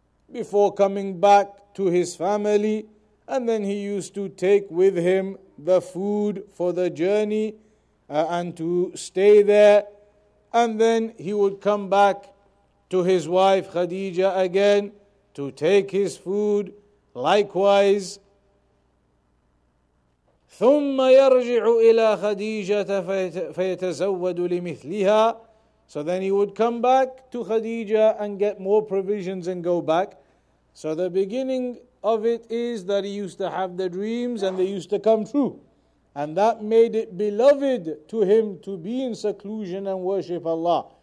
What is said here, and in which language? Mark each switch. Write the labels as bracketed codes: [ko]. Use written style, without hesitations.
[en] Before coming back to his family, and then he used to take with him the food for the journey and to stay there. And then he would come back to his wife Khadija again to take his food. Likewise, [ar] ثم يرجع إلى خديجة فيتزود لمثلها. [en] So then he would come back to Khadija and get more provisions and go back. So the beginning of it is that he used to have the dreams and they used to come true. And that made it beloved to him to be in seclusion and worship Allah.